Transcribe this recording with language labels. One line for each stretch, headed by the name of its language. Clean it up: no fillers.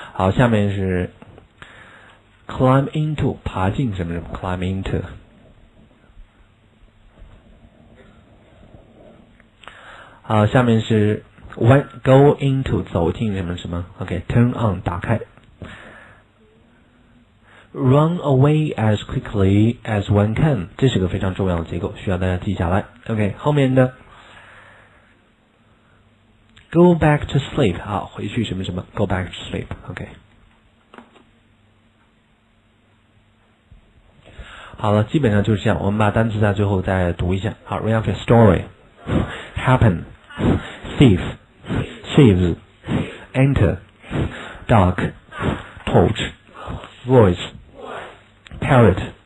Chinese: 好，下面是 climb into 爬进什么什么 climb into。好，下面是
English: went go into
Chinese: 走进什么什么 OK.
English: Turn on
Chinese: 打开。
English: Run away as quickly as one can.
Chinese: 这是个非常重要的结构，需要大家记下来。
English: OK, 后面的 Go back to sleep.
Chinese: 好，回去什么什么
English: Go back to sleep. OK.
Chinese: 好了，基本上就是这样，我们把单词在最后再读一下。
English: 好 ，read after story, happen, thief, thieves, enter, dark, torch, voice, parrot。